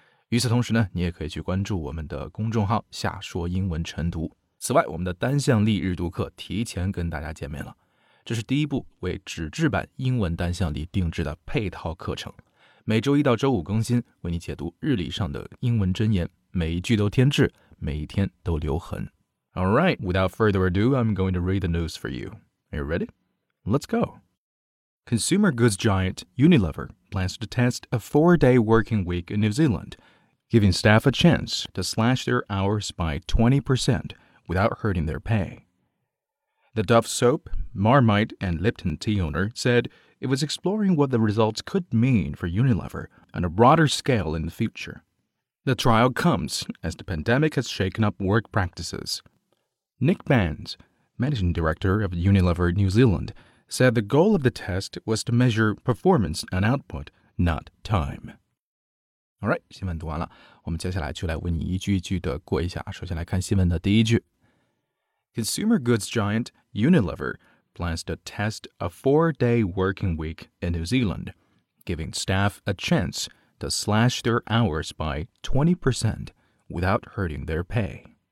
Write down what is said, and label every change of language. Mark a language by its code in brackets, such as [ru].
[zh] 与此同时呢，你也可以去关注我们的公众号夏说英文晨读。此外，我们的单向力日读课提前跟大家见面了，这是第一部为纸质版英文单向力定制的配套课程，每周一到周五更新，为你解读日历上的英文箴言，每一句都添置，每一天都留痕。 [en] Alright, without further ado, I'm going to read the news for you. Are you ready? Let's go! Consumer goods giant Unilever plans to test a four-day working week in New Zealand, giving staff a chance to slash their hours by 20%without hurting their pay. The Dove soap, Marmite, and Lipton tea owner said it was exploring what the results could mean for Unilever on a broader scale in the future. The trial comes as the pandemic has shaken up work practices. Nick Bands, managing director of Unilever New Zealand, said the goal of the test was to measure performance and output, not time. All right, [zh] 新闻读完了，我们接下来就来为你一句一句的过一下。首先来看新闻的第一句。 [en] Consumer goods giant Unilever plans to test a four-day working week in New Zealand, giving staff a chance to slash their hours by 20% without hurting their pay.